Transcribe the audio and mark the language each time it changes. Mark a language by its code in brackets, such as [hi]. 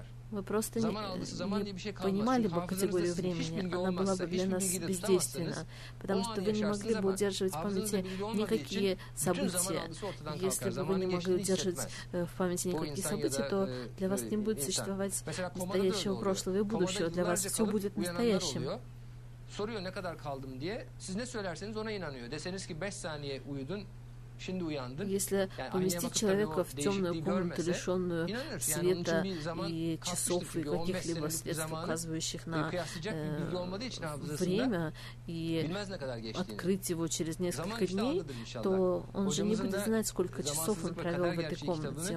[ru] Мы просто не понимали бы категорию времени, она была бы для нас бездейственна, потому что вы не могли бы удерживать в памяти никакие события. Если бы вы не могли удерживать в памяти никакие события, то для вас не будет существовать настоящего, прошлого и будущего. Для вас все будет настоящим. [tr] Soruyor ne kadar kaldım diye. Siz ne söylerseniz ona inanıyor. Deseniz ki 5 saniye uyudun. Şimdi uyandın. [ru] Если поместить человека в темную комнату, лишенную света и часов и каких-либо средств, указывающих на время, и открыть его через несколько дней, то он же не будет знать, сколько часов он провел в этой комнате.